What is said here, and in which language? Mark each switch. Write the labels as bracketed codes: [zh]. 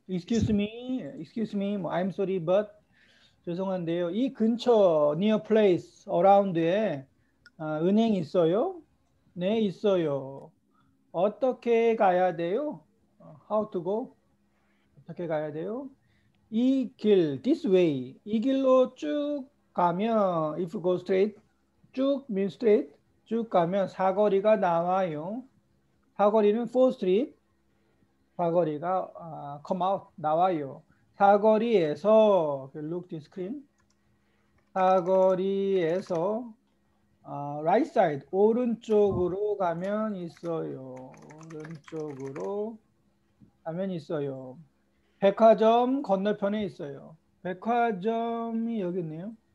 [en] Excuse me, I'm sorry, but [ko] 죄송한데요. 이 근처, near place, around에 은행 있어요? 네, 있어요. 어떻게 가야 돼요? [en] How to go? [ko] 어떻게 가야 돼요? 이 길, [en] this way. [ko] 이 길로 쭉 가면, [en] if go straight, 쭉 mean straight. [ko] 쭉 가면 사거리가 나와요. 사거리는 4th Street. 사거리가 [en] come out, [ko] 나와요. 사거리에서, [en] look this screen. [ko] 사거리에서 [en] right side, [ko] 오른쪽으로 가면 있어요. 오른쪽으로 가면 있어요. 백화점 건너편에 있어요. 백화점이 여기 있네요.